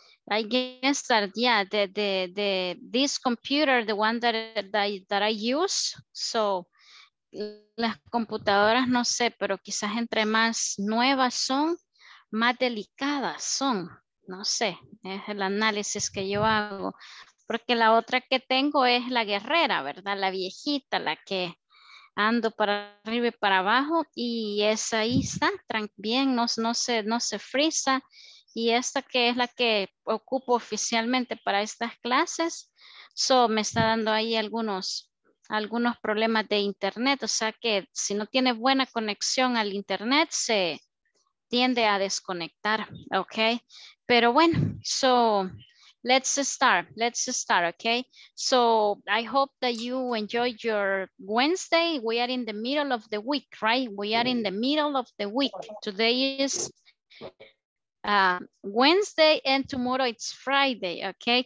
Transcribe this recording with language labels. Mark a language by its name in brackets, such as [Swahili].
[English] I guess that yeah, this computer, the one that I use. [Spanish] So las computadoras, no sé, pero quizás entre más nuevas son, más delicadas son. No sé, es el análisis que yo hago. Porque la otra que tengo es la guerrera, ¿verdad? La viejita, la que ando para arriba y para abajo, y esa ahí está bien, no se frisa. Y esta que es la que ocupo oficialmente para estas clases, so me está dando ahí algunos problemas de internet, o sea que si no tiene buena conexión al internet se tiende a desconectar, okay? Pero bueno, [English] so let's start, okay? So I hope that you enjoy your Wednesday. We are in the middle of the week, right? We are in the middle of the week. Today is Wednesday and tomorrow it's Friday, okay?